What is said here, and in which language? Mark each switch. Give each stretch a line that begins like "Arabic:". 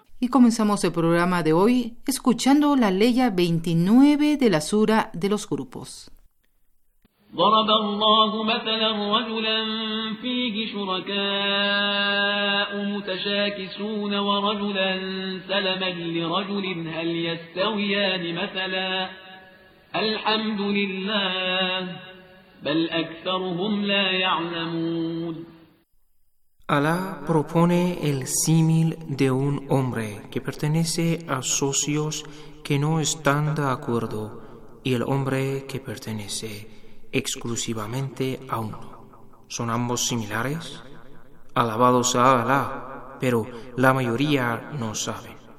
Spanish: Comenzamos el programa de hoy escuchando la ley 29 de la sura de los grupos.
Arabic: ضرب الله مثلا رجلا فيه شركاء متشاكسون ورجلا سلما لرجل هل يستويان مثلا الحمد لله بل اكثرهم لا يعلمون.
Spanish: Alá propone el símil de un hombre que pertenece a socios que no están de acuerdo y el hombre que pertenece exclusivamente a uno. ¿Son ambos similares? Alabados a Alá, pero la mayoría no sabe.